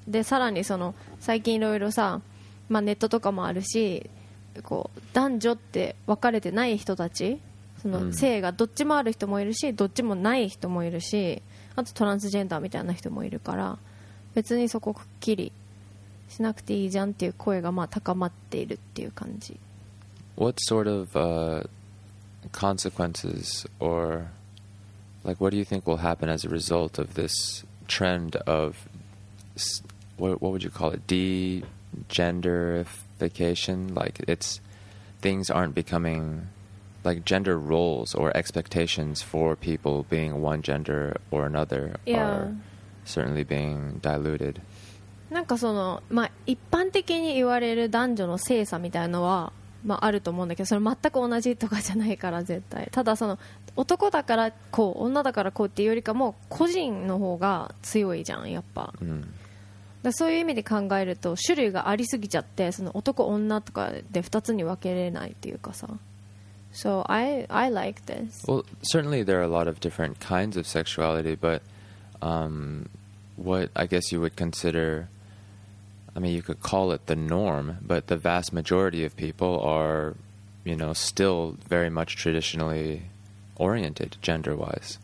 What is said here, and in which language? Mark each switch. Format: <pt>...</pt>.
<ja>でさらにその最近いろいろさ、まあネットとかもあるし、こう男女って分かれてない人たち、その性がどっちもある人もいるし、どっちもない人もいるし、あとトランスジェンダーみたいな人もいるから、別にそこくっきりしなくていいじゃんっていう声がまあ高まっているっていう感じ。</ja> <en>What sort of、consequences or like what do you think will happen as a result of this trend of what would you call it, degenderification? Like it's things aren't becoming like gender roles or expectations for people being one gender or another、 yeah. are certainly being diluted.</en> <ja>なんかそのまあ一般的に言われる男女の性差みたいのはまああると思うんだけど、それ全く同じとかじゃないから絶対。ただその男だからこう、女だからこうっていうよりかも個人の方が強いじゃんやっぱ。 Mm. だそういう意味で考えると種類がありすぎちゃって、その男女とかで二つに分けれないっていうかさ。</ja> <en>So I like this. Well, certainly there are a lot of different kinds of sexuality, but、what I guess you would consider, I mean, you could call it the norm, but the vast majority of people are, you know, still very much traditionally oriented gender-wise.</en>